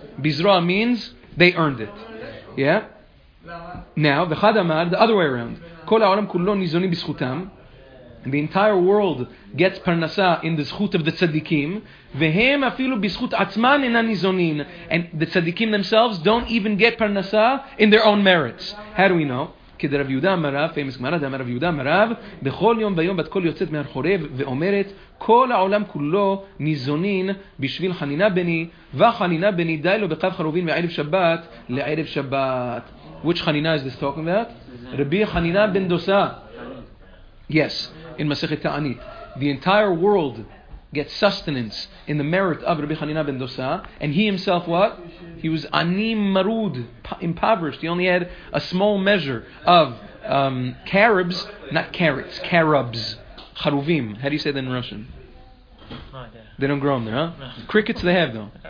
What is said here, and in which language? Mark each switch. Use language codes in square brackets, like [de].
[en] Bizroa means they earned it. Yeah? Now, v'chad amar, the other way around. [he] Kol ha'olam kulo nizonim bizchutam. [en] And the entire world gets parnasa in the zchut of the tzaddikim. [he] Vehem afilu bizchut atzman enan nizonin. [en] And the tzaddikim themselves don't even get parnasa in their own merits. How do we know? [he] כדי רב יהודה מרב, פיימס גמרא, דאמר רב יהודה מרב, בכל יום ויום בת קול יוצאת מהחורב ואומרת, כל העולם כולו ניזונין בשביל חנינה בני, וחנינה בני די לו בקו חרובין מערב שבת לערב שבת. [en] Which חנינה is this talking about? רבי חנינה בן דוסה. Yes, in מסכת תענית. The entire world gets sustenance in the merit of Rabbi Hanina ben Dosa, and he himself what? He was anim marud, impoverished. He only had a small measure of carobs, not carrots, carobs, charuvim. How do you say that in Russian? They don't grow them there, huh? No. Crickets they have though.